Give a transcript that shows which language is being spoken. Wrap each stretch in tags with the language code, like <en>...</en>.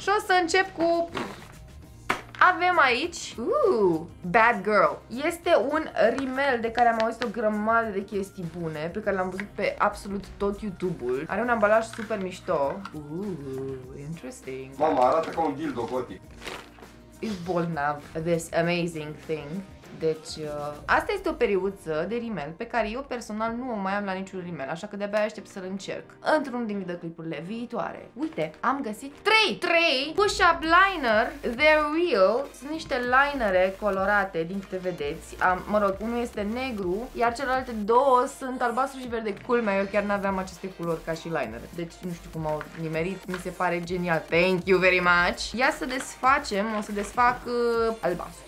<ro>Și o să încep cu... Avem aici, Bad Girl. Este un rimel de care am auzit o grămadă de chestii bune, pe care l-am văzut pe absolut tot YouTube-ul. Are un ambalaj super mișto.</ro> <en>Interesting.</en> <ro>Mama, arată ca un dildo gotic.</ro> <en>Is</en> <ro>bolnav,</ro> <en>this amazing thing.</en> <ro>Deci, asta este o periuță de rimel pe care eu personal nu o mai am la niciun rimel, așa că de-abia aștept să-l încerc într-un din videoclipurile viitoare. Uite, am găsit 3 push-up liner,</ro> <en>they're real.</en> <ro>Sunt niște linere colorate, din câte vedeți. Mă rog, unul este negru, iar celelalte două sunt albastru și verde. Culmea, eu chiar n-aveam aceste culori ca și liner. Deci nu știu cum au nimerit, mi se pare genial.</ro> <en>Thank you very much.</en> <ro>Ia să desfacem, o să desfac albastru.</ro>